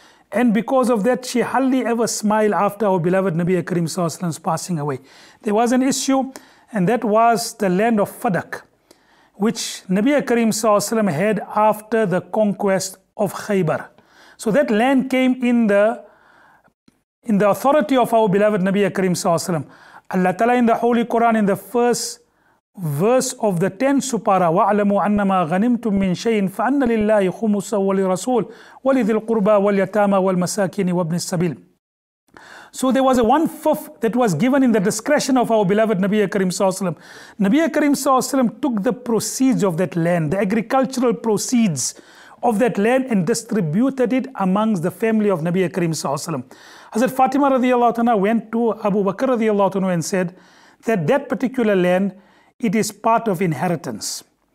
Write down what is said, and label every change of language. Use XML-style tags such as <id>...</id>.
<en>And because of that, she hardly ever smiled after our beloved Nabi Karim sallallahu alayhi wa sallam's passing away. There was an issue, and that was the land of Fadak, which Nabi Karim sallallahu alayhi wa sallam had after the conquest of Khaybar. So that land came in the authority of our beloved Nabi Karim sallallahu alayhi wa sallam. Allah Ta'ala in the Holy Quran, in the first verse of the 10th supara,</en> <ar>وَعْلَمُوا أَنَّمَا غَنِمْتُمْ مِنْ شَيْءٍ فَأَنَّ لِلَّهِ خُمُسَ وَلِرَسُولِ وَلِذِي الْقُرْبَى وَالْيَتَامَى وَالْمَسَاكِينِ وَابْنِ السَّبِيلِ.</ar> <en>So there was a one-fifth that was given in the discretion of our beloved Nabi Karim sallallahu alayhi wa sallam. Nabi Karim sallallahu alayhi wa sallam took the proceeds of that land, the agricultural proceeds of that land, and distributed it amongst the family of Nabi Karim sallallahu alayhi wa sallam. Hazrat Fatima radiallahu ta'ala went to Abu Bakr radiallahu ta'ala and said that particular land, it is part of inheritance.</en>